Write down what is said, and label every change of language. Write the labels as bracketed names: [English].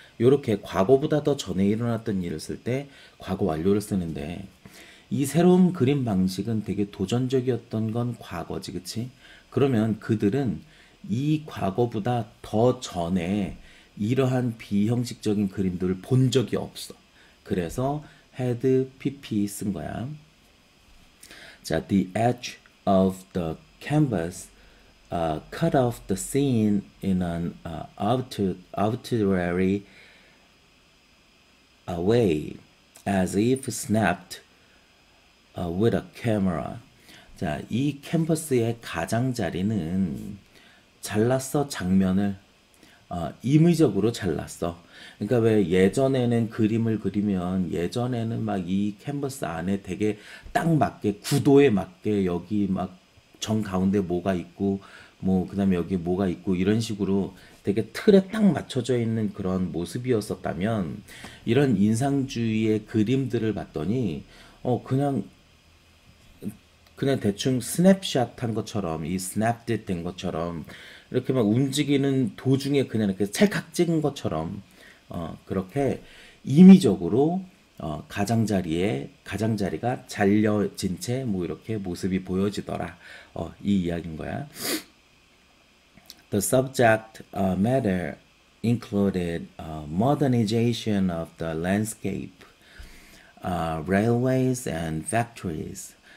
[Korean] 요렇게 과거보다 더 전에 일어났던 일을 쓸때 과거 완료를 쓰는데, 이 새로운 그림 방식은 되게 도전적이었던 건 과거지, 그치? 그러면 그들은 이 과거보다 더 전에 이러한 비형식적인 그림들을 본 적이 없어. 그래서 had pp 쓴 거야. [English] 자, the edge of the canvas cut off the scene in an arbitrary way as if snapped with a camera. [Korean] 자, 이 캔버스의 가장자리는 잘랐어, 장면을. 임의적으로 잘랐어. 그러니까 왜 예전에는 그림을 그리면 예전에는 막이 캔버스 안에 되게 딱 맞게, 구도에 맞게 여기 막 정가운데 뭐가 있고 뭐 그다음에 여기 뭐가 있고 이런 식으로 되게 틀에 딱 맞춰져 있는 그런 모습이었었다면, 이런 인상주의의 그림들을 봤더니 그냥 대충 스냅샷 한 것처럼, 이 스냅댓 된 것처럼, 이렇게 막 움직이는 도중에 그냥 이렇게 찰칵 찍은 것처럼, 그렇게 임의적으로, 가장자리가 잘려진 채, 뭐, 이렇게 모습이 보여지더라. 이 이야기인 거야. [English] The subject matter included modernization of the landscape, railways and factories.